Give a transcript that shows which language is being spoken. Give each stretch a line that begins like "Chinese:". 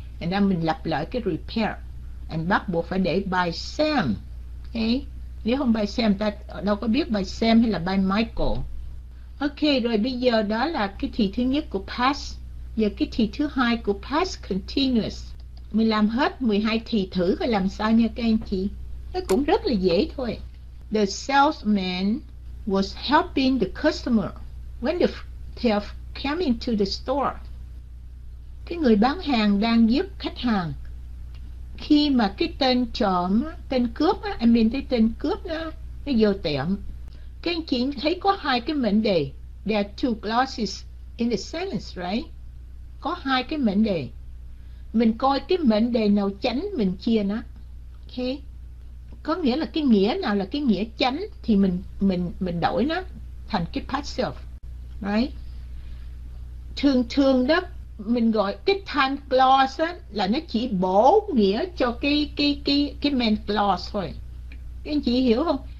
English: And then
Vietnamese: mình lặp lại cái repair. And bắt buộc phải để by Sam. Okay. Nếu không by Sam, ta đâu có biết by Sam hay là by Michael. Ok, rồi bây giờ đó là cái thì thứ nhất của past. Giờ cái thì thứ hai của past continuous. Mình làm hết 12 thì thử coi làm sao nha các anh chị. Nó cũng rất là dễ thôi.
English: The salesman was helping the customer when the thief came into the store.
Vietnamese: Cái người bán hàng đang giúp khách hàng. Khi mà cái tên trộm, tên cướp á, cái tên cướp đó, nó vô tiệm. Các anh chị thấy có hai cái mệnh đề.
English: There are two clauses in the sentence, right?
Vietnamese: Có hai cái mệnh đề. Mình coi cái mệnh đề nào chánh mình chia nó. Okay. Có nghĩa là cái nghĩa nào là cái nghĩa chánh thì mình đổi nó thành cái passive. Right? Thường thường đó mình gọi cái time clause á là nó chỉ bổ nghĩa cho cái main clause thôi. Các anh chị hiểu không?